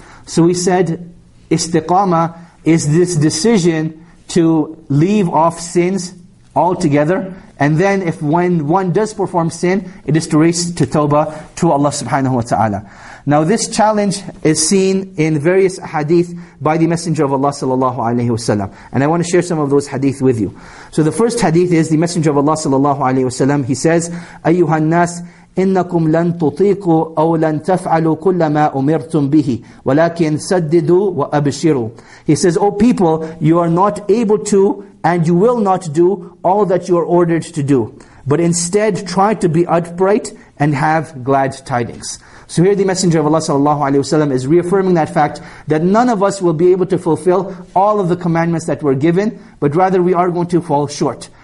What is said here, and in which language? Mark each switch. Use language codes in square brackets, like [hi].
[en] So we said, istiqamah is this decision to leave off sins altogether. And then if when one does perform sin, it is to raise to tawbah to Allah subhanahu wa ta'ala. Now this challenge is seen in various hadith by the Messenger of Allah sallallahu alaihi wasallam. And I want to share some of those hadith with you. So the first hadith is the Messenger of Allah sallallahu alaihi wasallam, he says, [ar] أَيُّهَا النَّاسِ إِنَّكُمْ لَن تُطِيقُوا أَوْ لَن تَفْعَلُوا كُلَّ مَا أُمِرْتُمْ بِهِ وَلَكِنْ سَدِّدُوا وَأَبْشِرُوا. [en] He says, O people, you are not able to and you will not do all that you are ordered to do. But instead, try to be upright and have glad tidings. So here the Messenger of Allah sallallahu alaihi wasallam is reaffirming that fact that none of us will be able to fulfill all of the commandments that were given, but rather we are going to fall short.